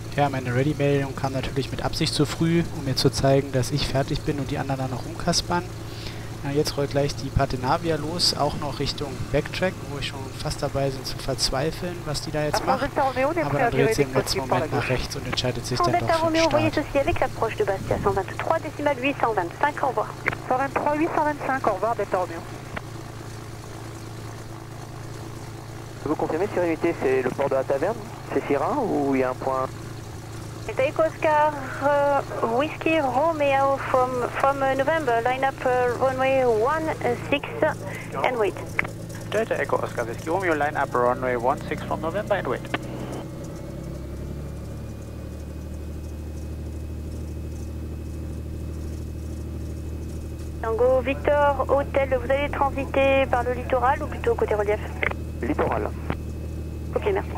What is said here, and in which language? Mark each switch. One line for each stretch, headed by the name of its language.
German: Ja, meine Ready-Meldung kam natürlich mit Absicht zu früh, um mir zu zeigen, dass ich fertig bin und die anderen dann noch rumkaspern. Ja, jetzt rollt gleich die Partenavia los, auch noch Richtung Backtrack, wo ich schon fast dabei bin zu verzweifeln, was die da jetzt machen. Aber dann dreht sie im letzten Moment nach rechts und entscheidet sich dann doch für den Start.
French: Delta Romeo, voyez ceci avec l'approche de Bastia, 123 décimal 825, au revoir. 123 825, au revoir, Delta Romeo. Vous confirmez si unité c'est le port de la taverne, c'est Sierra ou il y a un point?
English: Delta Echo Oscar Whiskey Romeo from November, line up runway 16 and wait. Delta Echo Oscar Whiskey Romeo, line up runway 16 from November and wait.
French: Tango Victor Hotel, vous allez transiter par le littoral ou plutôt côté relief? Littoral. Ok,